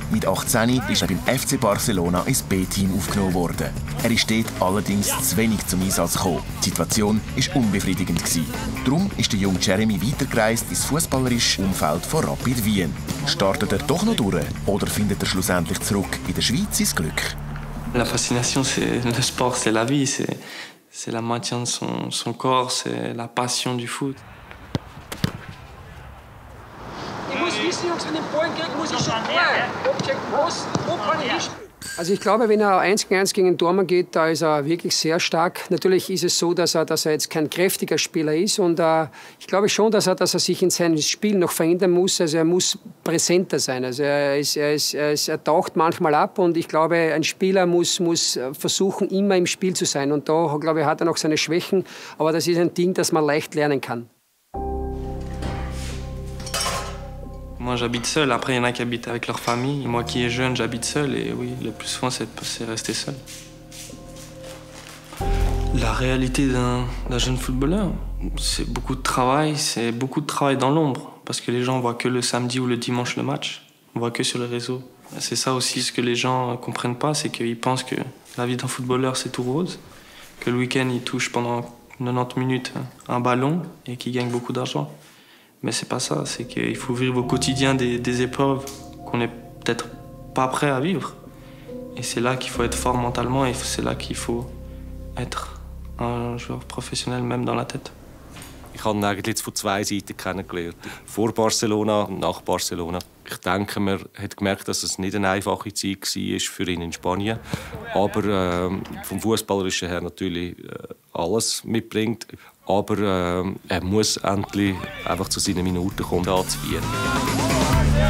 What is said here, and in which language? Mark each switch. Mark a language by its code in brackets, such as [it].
[de] Mit 18 ist er beim FC Barcelona ins B-Team aufgenommen worden. Er ist dort allerdings zu wenig zum Einsatz gekommen. Die Situation war unbefriedigend. Darum ist der junge Jeremy weitergereist ins fußballerische Umfeld von Rapid Wien. Startet er doch noch durch oder findet er schlussendlich zurück in der Schweiz sein Glück? [fr] La Faszination, c'est le Sport, c'est la vie. C'est la maintien de son corps, c'est la passion du Foot. [de] Also ich glaube, wenn er 1 gegen 1 gegen den Dormann geht, da ist er wirklich sehr stark. Natürlich ist es so, dass er jetzt kein kräftiger Spieler ist. Und ich glaube schon, dass er sich in seinem Spiel noch verändern muss. Also er muss präsenter sein. Also er taucht manchmal ab. Und ich glaube, ein Spieler muss versuchen, immer im Spiel zu sein. Und da, glaube ich, hat er noch seine Schwächen. Aber das ist ein Ding, das man leicht lernen kann. [fr] Moi j'habite seul, après il y en a qui habitent avec leur famille. Moi qui est jeune, j'habite seul et oui, le plus souvent c'est rester seul. La réalité d'un jeune footballeur, c'est beaucoup de travail, c'est beaucoup de travail dans l'ombre. Parce que les gens voient que le samedi ou le dimanche le match, on voit que sur les réseaux. C'est ça aussi ce que les gens comprennent pas, c'est qu'ils pensent que la vie d'un footballeur c'est tout rose. Que le week-end il touche pendant 90 minutes un ballon et qu'il gagne beaucoup d'argent. Mais c'est pas ça, c'est qu'il faut vivre au quotidien des épreuves qu'on n'est peut-être pas prêt à vivre. Et c'est là qu'il faut être fort mentalement et c'est là qu'il faut être un joueur professionnel même dans la tête. [de] Ich habe ihn eigentlich jetzt von zwei Seiten kennengelernt. Vor Barcelona, nach Barcelona. Ich denke, man hat gemerkt, dass es nicht eine einfache Zeit war für ihn in Spanien. Aber vom Fußballerischen her natürlich alles mitbringt. Aber er muss endlich einfach zu seinen Minuten kommen, da zu Wien.